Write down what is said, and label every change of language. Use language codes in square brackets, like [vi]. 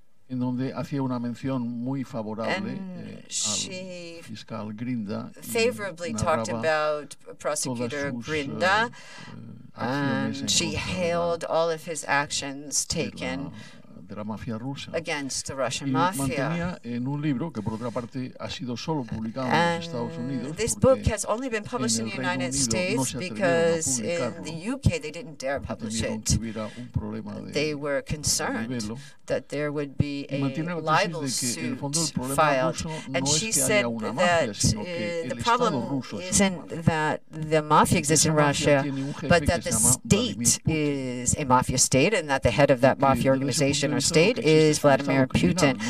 [es] en donde hacía una mención muy favorable al fiscal Grinda, [en] favorably talked about Prosecutor Grinda, and she hailed all of his actions taken [es] de la mafia rusa, [en] against the Russian mafia. [es] En un libro que por otra parte ha sido solo publicado en Estados Unidos. [en] This book has only been published in the United States because in the UK they didn't dare publish it. They were concerned that there would be a libel suit filed. And she said that the problem isn't that the mafia exists in Russia, but that the state is a mafia state and that the head of that mafia organization or state is Vladimir Putin.